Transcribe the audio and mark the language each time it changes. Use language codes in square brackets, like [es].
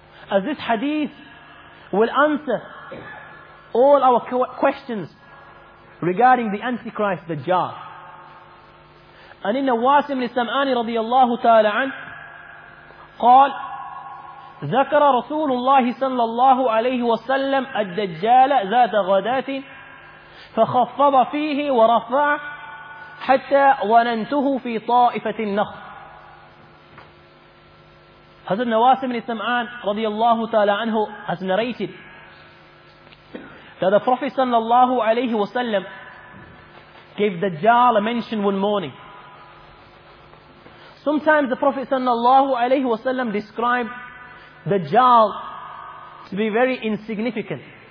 [en] as this hadith will answer all our questions regarding the Antichrist, the Dajjal. And in Nawas ibn Sam'ani radiyallahu ta'ala an, [ar] قال ذكر رسول الله صلى الله عليه وسلم الدجال ذات غداة فخفض فيه ورفع حتى وننته في طائفة النخل. [en] Hazrat Nawas ibn Sam'an radiyallahu ta'ala anhu has narrated that the Prophet sallallahu alayhi wa sallam gave Dajjal a mention one morning. Sometimes the Prophet sallallahu alayhi wa sallam described Dajjal to be very insignificant.